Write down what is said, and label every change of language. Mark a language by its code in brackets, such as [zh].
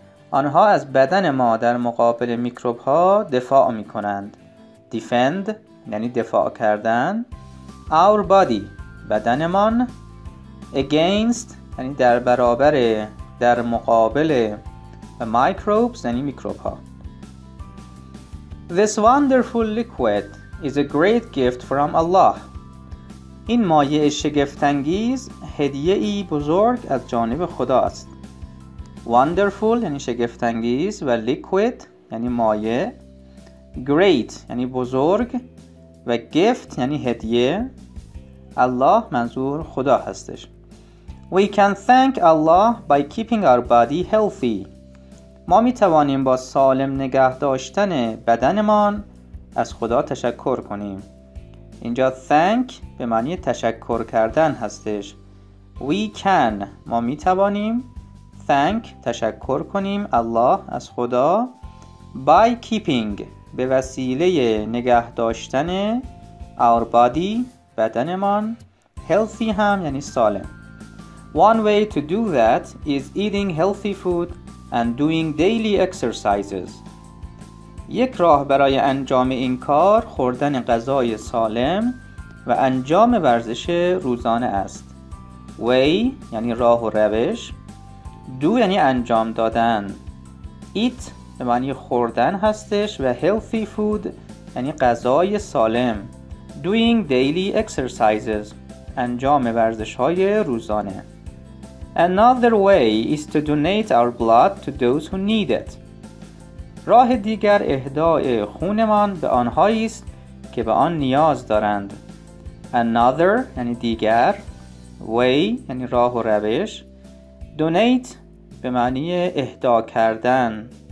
[fa] آنها از بدن ما در مقابل میکروب ها دفاع می کنند. Defend یعنی دفاع کردن. [en] Our body [fa] بدن من. Against یعنی در برابر در مقابل microbes یعنی میکروب ها. [en] This wonderful liquid is a great gift from Allah. [fa] این مایع شگفت‌انگیز هدیه ای بزرگ از جانب خدا است. Wonderful یعنی شگفت‌انگیز و liquid یعنی مایع. Great یعنی بزرگ و gift یعنی هدیه. الله منظور خدا هستش. [en] We can thank Allah by keeping our body healthy. [fa] ما می توانیم با سالم نگه داشتن بدنمان از خدا تشکر کنیم. اینجا thank به معنی تشکر کردن هستش. [en] We can [fa] ما می توانیم thank تشکر کنیم الله از خدا [en] by keeping [fa] به وسیله نگه داشتن [en] our body [fa] بدنمان healthy هم یعنی سالم. [en] One way to do that is eating healthy food and doing daily exercises. [fa] یک راه برای انجام این کار خوردن غذای سالم و انجام ورزش روزانه است. Way یعنی راه و روش. Do یعنی انجام دادن. Eat به معنی خوردن هستش و [en] healthy food [fa] یعنی غذای سالم. [en] Doing daily exercises [fa] انجام ورزش های روزانه. [en] Another way is to donate our blood to those who need it. [fa] راه دیگر اهداء خونمان به آنهایی است که به آن نیاز دارند. Another یعنی دیگر. Way یعنی راه و روش. Donate به معنی اهدا کردن.